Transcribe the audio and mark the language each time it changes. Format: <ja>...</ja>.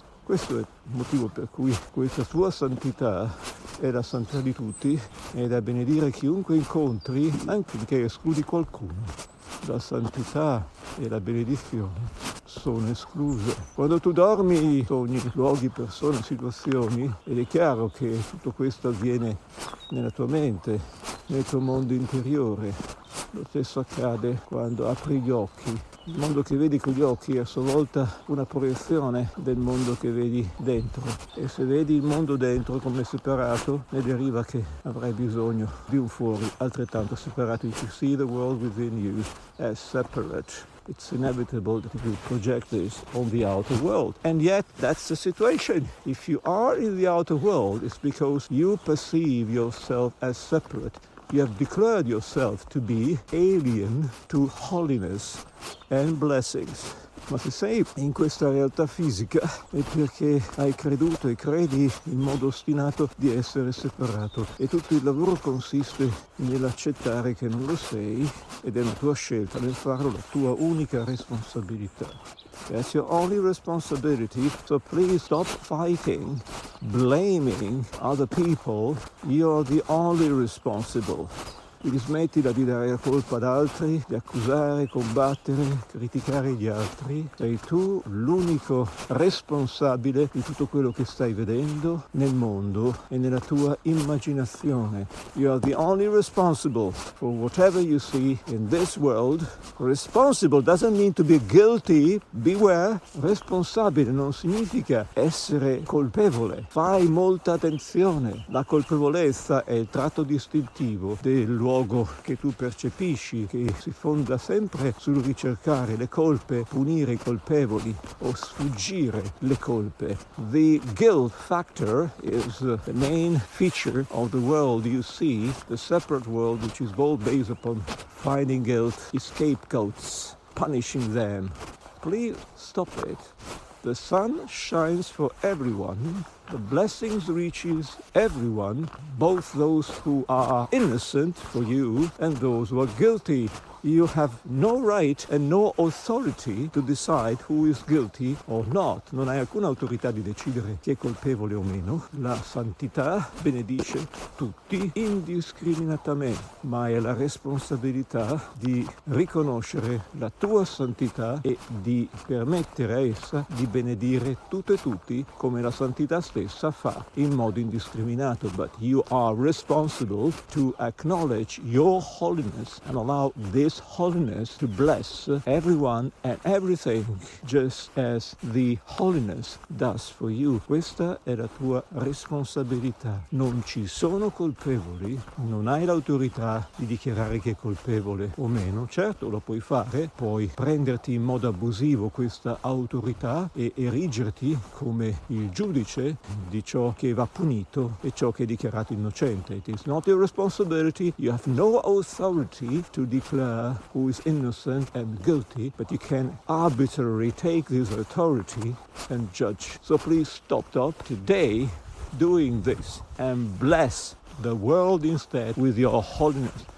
<it>Questo è il motivo per cui questa tua santità è la santità di tutti, è da benedire chiunque incontri, anche perché escludi qualcuno. La santità e la benedizione sono escluse. Quando tu dormi, sogni, luoghi, persone, situazioni, ed è chiaro che tutto questo avviene nella tua mente, nel tuo mondo interiore. Lo stesso accade quando apri gli occhi. Il mondo che vedi con gli occhi è a sua volta una proiezione del mondo che vedi dentro. E se vedi il mondo dentro come separato, ne deriva che avrai bisogno di un fuori altrettanto separato.</it> <en>If you see the world within you as separate, it's inevitable that you project this on the outer world. And yet, that's the situation. If you are in the outer world, it's because you perceive yourself as separate. You have declared yourself to be alien to holiness and blessings.</en> <it>Ma se sei in questa realtà fisica è perché hai creduto e credi in modo ostinato di essere separato, e tutto il lavoro consiste nell'accettare che non lo sei, ed è la tua scelta nel farlo la tua unica responsabilità.</it> <en>That's your only responsibility, so please stop fighting, blaming other people. You're the only responsible.</en> <it>Quindi smettila di dare la colpa ad altri, di accusare, combattere, criticare gli altri. Sei tu l'unico responsabile di tutto quello che stai vedendo nel mondo e nella tua immaginazione.</it> <en>You are the only responsible for whatever you see in this world. Responsible doesn't mean to be guilty, beware.</en> <it>Responsabile non significa essere colpevole. Fai molta attenzione. La colpevolezza è il tratto distintivo dell'uomo che tu percepisci, che si fonda sempre sul ricercare le colpe, punire i colpevoli o sfuggire le colpe.</it> <en>The guilt factor is the main feature of the world you see, the separate world which is all based upon finding guilt, scapegoats, punishing them. Please stop it. The sun shines for everyone. The blessings reaches everyone, both those who are innocent for you and those who are guilty. You have no right and no authority to decide who is guilty or not.</en> <it>Non hai alcuna autorità di decidere chi è colpevole o meno. La santità benedice tutti indiscriminatamente, ma è la responsabilità di riconoscere la tua santità e di permettere a essa di benedire tutte e tutti come la santità stessa fa in modo indiscriminato.</it> <en>But you are responsible to acknowledge your holiness and allow this holiness to bless everyone and everything just as the holiness does for you.</en> <it>Questa è la tua responsabilità. Non ci sono colpevoli, non hai l'autorità di dichiarare che è colpevole o meno. Certo, lo puoi fare, puoi prenderti in modo abusivo questa autorità e erigerti come il giudice di ciò che va punito e ciò che è dichiarato innocente.</it> <en>It is not your responsibility, you have no authority to declare who is innocent and guilty, but you can arbitrarily take this authority and judge. So please stop today doing this and bless the world instead with your holiness.</en>